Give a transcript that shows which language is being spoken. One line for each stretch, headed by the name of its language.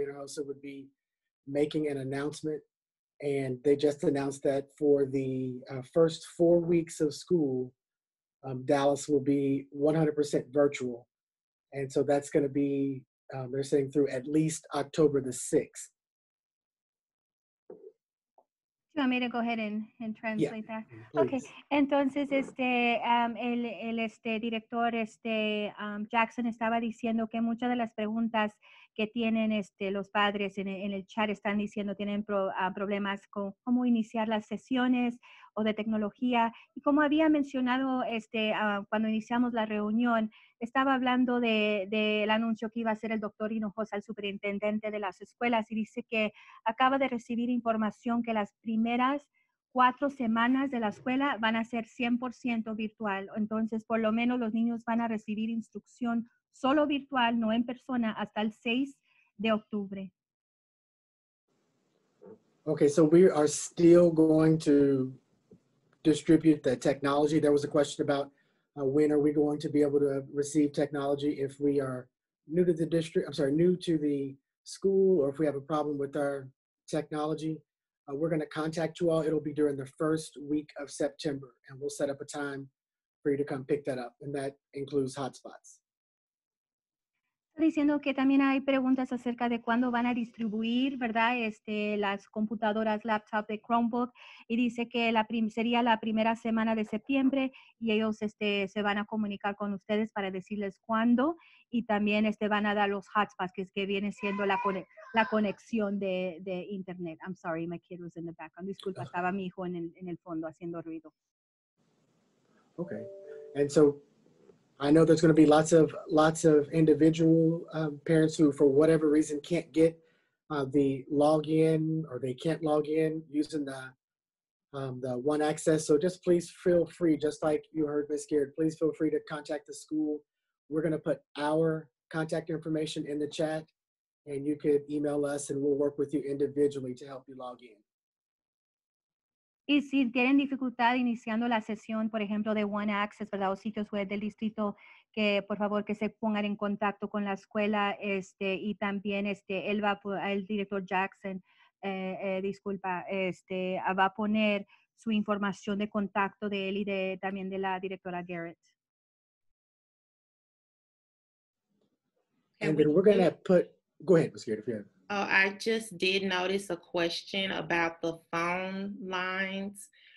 English: Hinojosa would be making an announcement. And they just announced that for the first 4 weeks of school, Dallas will be 100% virtual. And so that's going to be They're saying through at least October the 6th. You want me to go ahead and translate yeah, that? Please. Okay.
Spanish: Entonces, el director, Jackson, estaba diciendo que muchas de las preguntas que tienen los padres en el chat están diciendo tienen problemas con cómo iniciar las sesiones o de tecnología. Y como había mencionado cuando iniciamos la reunión, estaba hablando del anuncio que iba a hacer el doctor Hinojosa, el superintendente de las escuelas, y dice que acaba de recibir información que las primeras 4 semanas de la escuela van a ser 100% virtual. Entonces, por lo menos los niños van a recibir instrucción solo virtual, no en persona, hasta el 6 de octubre.
English: Okay, so we are still going to distribute the technology. There was a question about when are we going to be able to receive technology if we are new to the district, I'm sorry, new to the school, or if we have a problem with our technology. We're going to contact you all. It'll be during the first week of September, and we'll set up a time for you to come pick that up, and that includes hotspots.
Spanish: Diciendo que también hay preguntas acerca de cuándo van a distribuir, ¿verdad? Las computadoras, laptop de Chromebook, y dice que sería la primera semana de septiembre y ellos se van a comunicar con ustedes para decirles cuándo y también van a dar los hotspots, que viene siendo la conexión de internet.
English: I'm sorry, my kid was in the background.
Spanish: Disculpa, estaba mi hijo en el fondo haciendo ruido.
English: Okay, and so I know there's going to be lots of individual parents who, for whatever reason, can't get the login, or they can't log in using the one access. So just please feel free, just like you heard Ms. Garrett, please feel free to contact the school. We're going to put our contact information in the chat, and you could email us, and we'll work with you individually to help you log in.
Spanish: Y si tienen dificultad iniciando la sesión, por ejemplo, de One Access, ¿verdad? O sitios web del distrito, que por favor que se pongan en contacto con la escuela y también el director Jackson, va a poner su información de contacto de él y también de la directora Garrett.
English: And then we're going to put, go ahead, Ms. Garrett, if you have. Oh, I just did notice a question about the phone lines.